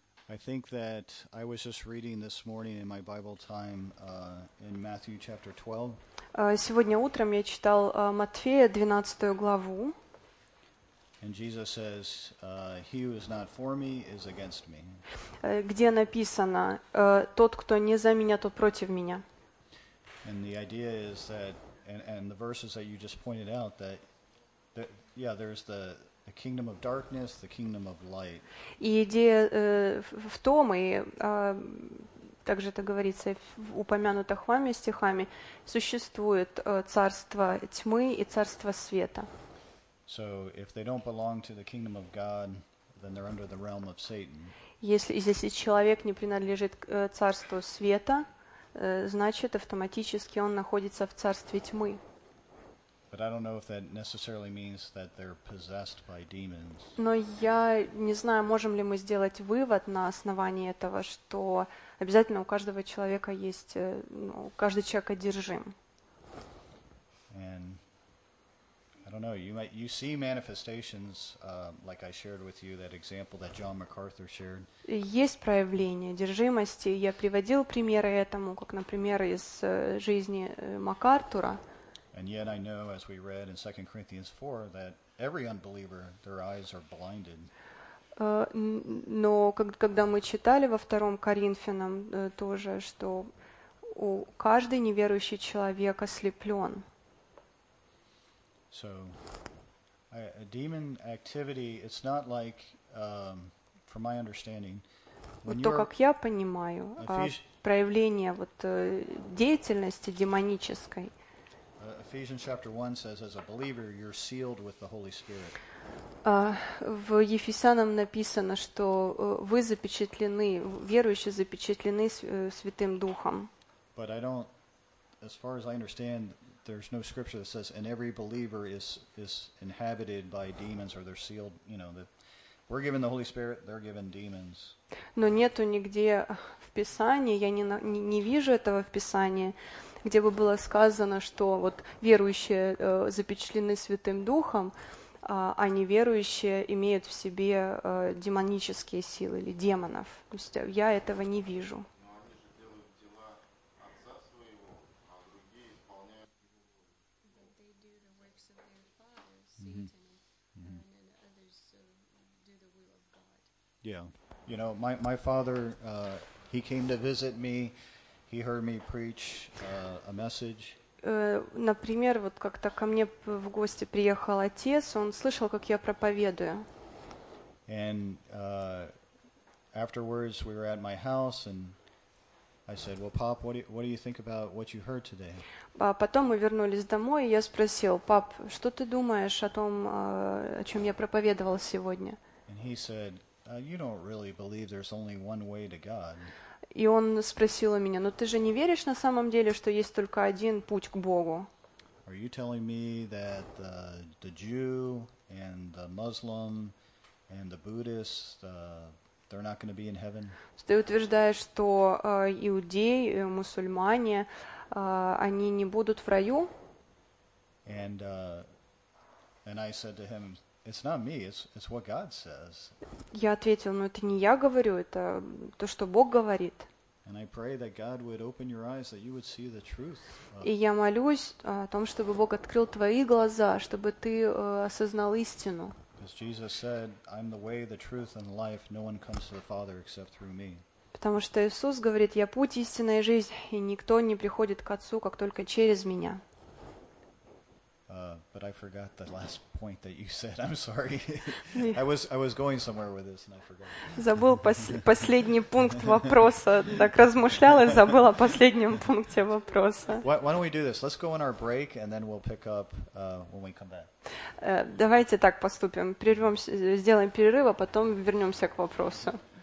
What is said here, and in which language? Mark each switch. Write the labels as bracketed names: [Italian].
[English] I think that I was just reading this morning in my Bible time in Matthew chapter 12. [Russian] Сегодня утром я читал Матфея 12 главу. [English] And Jesus says, "He who is not for me is against me." [Russian] Где написано, тот, кто не за меня, тот против меня. [English] And the idea is that, and the verses that you just pointed out, that yeah, there's the kingdom of darkness, the kingdom of light. [Russian] И идея в том, и также это говорится в упомянутых вами стихами, существует царство тьмы и царство света. [English] So if they don't belong to the kingdom of God, then they're under the realm of Satan. [Russian] Если человек не принадлежит к царству света, значит автоматически он находится в царстве тьмы. [English] But I don't know if that necessarily means that they're possessed by demons. [Russian] Но я не знаю, можем ли мы сделать вывод на основании этого, что обязательно у каждого человека есть, ну, каждый человек одержим. [English] And I don't know, you see manifestations, like I shared with you that example that John MacArthur shared. [Russian] Есть проявление одержимости. Я приводил примеры этому, как, например, из жизни МакАртура. [English] And yet I know, as we read in 2 Corinthians 4, that every unbeliever, their eyes are blinded. [Russian] Но когда мы читали во 2 Коринфянам тоже, что у каждый неверующий человек ослеплен. [English] So, a demon activity, it's not like, from my understanding, [Russian] вот то, как я понимаю, проявление вот деятельности демонической. [English] Ephesians chapter 1 says, as a believer, you're sealed with the Holy Spirit. [Russian] В Ефесянам написано, что вы запечатлены, верующие запечатлены Святым Духом. [English] But I don't, as far as I understand, there's no scripture that says, and every believer is inhabited by demons, or they're sealed, you know, that we're given the Holy Spirit, they're given demons. [Russian] Но нету нигде в Писании, я не вижу этого в Писании, где бы было сказано, что вот верующие запечатлены Святым Духом, а неверующие имеют в себе демонические силы или демонов. То есть я этого не вижу. [English] You know, my father, he came to visit me. He heard me preach a message. [Russian] Например, вот как-то ко мне в гости приехал отец, он слышал, как я проповедую. [English] And afterwards we were at my house and I said, "Well, Pop, what do you think about what you heard today?" [Russian] Потом мы вернулись домой, и я спросил: "Пап, что ты думаешь о том, о чём я проповедовал сегодня?" [English] And he said, "You don't really believe there's only one way to God." [Russian] И он спросил у меня: "Но ты же не веришь на самом деле, что есть только один путь к Богу?" [English] Are you telling me that the Jew and the Muslim and the Buddhist they're not going to be in heaven? [Russian] Ты утверждаешь, что иудеи, мусульмане, они не будут в раю? [English] And I said to him, "It's not me, it's what God says." [Russian] Я ответил: "Ну это не я говорю, это то, что Бог говорит." [English] And I pray that God would open your eyes, that you would see the truth. [Russian] И я молюсь о том, чтобы Бог открыл твои глаза, чтобы ты осознал истину. [English] Because Jesus said, "I'm the way, the truth and the life. No one comes to the Father except through me." [Russian] Потому что Иисус говорит: "Я путь, истина и жизнь, и никто не приходит к Отцу, как только через меня." [English] But I forgot the last point that you said. I'm sorry. I was going somewhere with this and I forgot. [Russian] Забыл последний пункт вопроса. Так размышлял и забыл о последнем пункте вопроса. [English] Why don't we do this? Let's go on our break and then we'll pick up when we come back. [Russian] Давайте так поступим. Сделаем перерыв, а потом вернемся к вопросу.